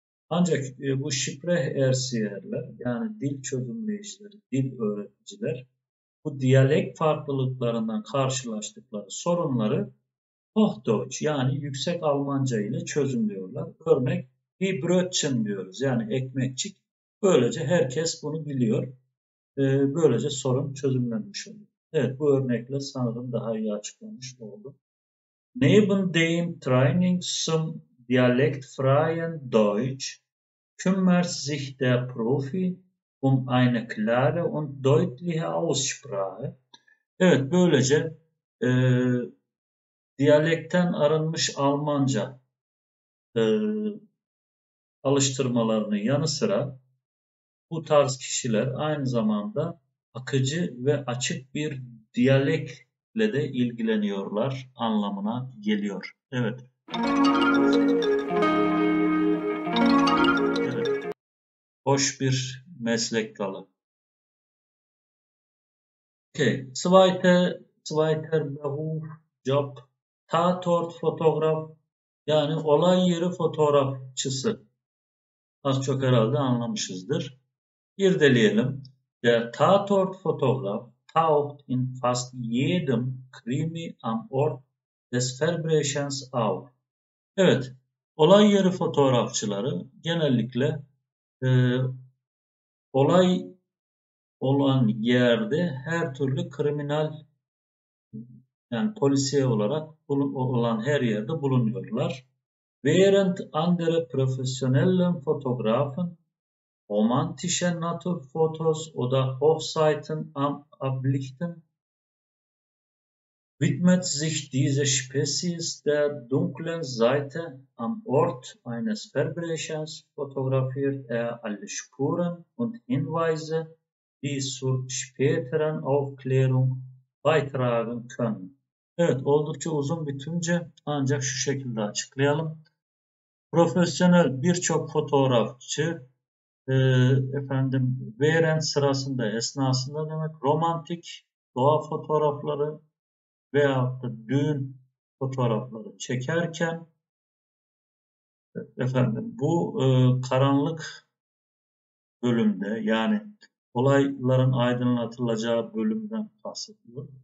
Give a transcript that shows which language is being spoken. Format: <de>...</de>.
<tr>Ancak bu Sprecherzieherler yani dil çözümleyicileri, dil öğreticiler bu diyalek farklılıklarından karşılaştıkları sorunları Hochdeutsch yani yüksek Almanca ile çözümlüyorlar. Örnek bir brötchen diyoruz yani ekmekçik. Böylece herkes bunu biliyor. Böylece sorun çözümlenmiş oluyor. Evet bu örnekle sanırım daha iyi açıklamış oldum.</tr> <de>Neben dem Training zum dialektfreien Deutsch kümmert sich der Profi eine klare und deutliche Aussprache.</de> <tr>Evet böylece dialekten arınmış Almanca alıştırmalarının yanı sıra bu tarz kişiler aynı zamanda akıcı ve açık bir diyalekle de ilgileniyorlar anlamına geliyor. Evet. Hoş bir meslek dalı. Okay.</tr> <de>Zweiter Beruf, Job, Tatort</de> <tr>fotoğraf, yani olay yeri fotoğrafçısı. Az çok herhalde anlamışızdır. İrdeleyelim.</tr> <de>Der Tatort Fotograf taucht in fast jedem Krimi am Ort des Verbrechens auf.</de> <tr>Evet, olay yeri fotoğrafçıları genellikle olay olan yerde her türlü kriminal yani polisiye olarak olan her yerde bulunuyorlar.</tr> <de>Während andere professionellen Fotografen Romantische Naturfotos oder Hochzeiten am Ablichten widmet sich diese Spezies der dunklen Seite. Am Ort eines Verbrechens fotografiert er alle Spuren und Hinweise, die zur späteren Aufklärung beitragen können.</de> <tr>Evet, oldukça uzun bir tümce, ancak şu şekilde açıklayalım. Profesyonel birçok fotoğrafçı, efendim, Behrend sırasında, esnasında demek, romantik doğa fotoğrafları veyahut da düğün fotoğrafları çekerken, efendim, bu karanlık bölümde, yani olayların aydınlatılacağı bölümden bahsediyorum.</tr>